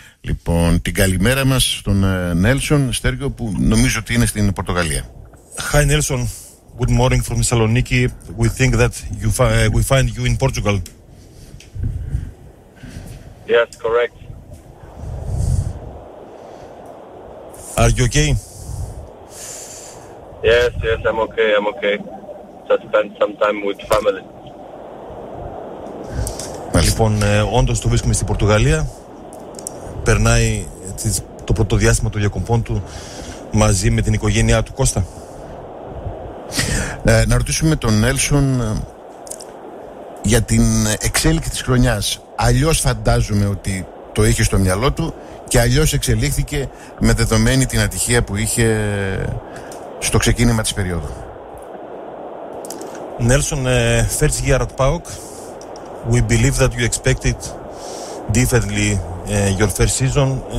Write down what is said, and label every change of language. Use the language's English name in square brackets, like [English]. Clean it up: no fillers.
[Greek] Λοιπόν, την καλημέρα μας στον Νέλσον Στέργιο, που νομίζω ότι είναι στην Πορτογαλία. [English] Hi Nelson, good morning from Thessaloniki. We think that you we find you in Portugal. Yes, correct. Are you okay? Yes, yes, I'm okay, I'm okay. Just spend some time with family. [Greek] Λοιπόν, όντως το βρίσκουμε στην Πορτογαλία. Περνάει έτσι, το πρώτο διάστημα των διακοπών του μαζί με την οικογένειά του, Κώστα. Να ρωτήσουμε τον Νέλσον για την εξέλιξη της χρονιάς. Αλλιώς φαντάζομαι ότι το είχε στο μυαλό του και αλλιώς εξελίχθηκε με δεδομένη την ατυχία που είχε στο ξεκίνημα της περίοδου. [English] Νέλσον, first year at PAOK, we believe that you expected differently your first season.